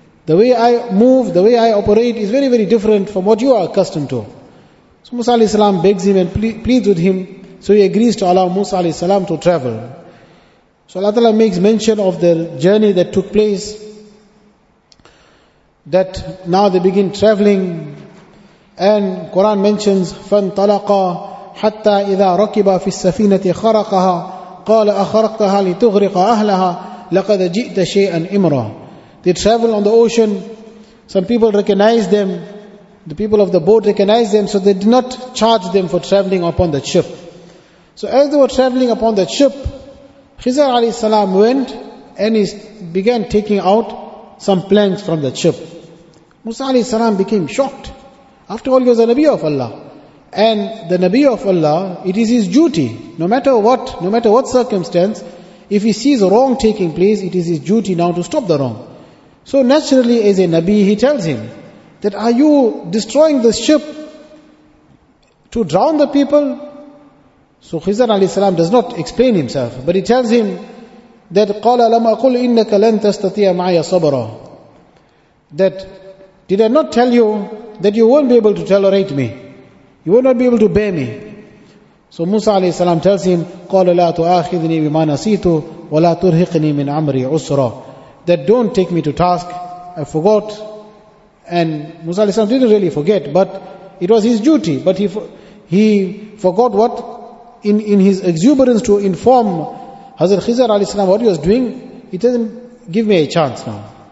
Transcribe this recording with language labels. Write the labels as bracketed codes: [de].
[en] The way I move, the way I operate is very, very different from what you are accustomed to. So Musa alayhi salam begs him and pleads with him. So he agrees to allow Musa alayhi salam to travel. So Allah Ta'ala makes mention of the journey that took place, that now they begin traveling. And Quran mentions, [ar] فَانْطَلَقَ حَتَّى إِذَا رَكِبَ فِي السَّفِينَةِ خَرَقَهَا قَالَ أَخَرَقْتَهَا لِتُغْرِقَ أَهْلَهَا لَقَدَ جِئْتَ شَيْئًا إِمْرًا. [en] They travel on the ocean. Some people recognize them. The people of the boat recognize them, so they did not charge them for traveling upon the ship. So as they were traveling upon the ship, Khizr alayhi salam went and he began taking out some planks from the ship. Musa alayhi salam became shocked. After all, he was a Nabi of Allah. And the Nabi of Allah, it is his duty, no matter what, no matter what circumstance, if he sees wrong taking place, it is his duty now to stop the wrong. So naturally, as a Nabi, he tells him that, are you destroying the ship to drown the people? So Khizr alayhi salam does not explain himself, but he tells him that, [ar] قَالَ لَمْ أَقُلْ إِنَّكَ لَنْ تَسْتَطِيَ مَعَيَ صَبْرًا. [en] That, did I not tell you that you won't be able to tolerate me? You will not be able to bear me. So Musa alayhi salam tells him, [ar] قَالَ لَا تُؤَاخِذْنِي بِمَا نَسِيتُ وَلَا تُرْهِقْنِي مِنْ عَمْرِي عُسْرًا. [en] That, don't take me to task, I forgot. And Musa alayhi salam didn't really forget, but it was his duty. But he forgot what, in his exuberance to inform Hazrat Khizr alayhi salam what he was doing, he tells him, give me a chance now.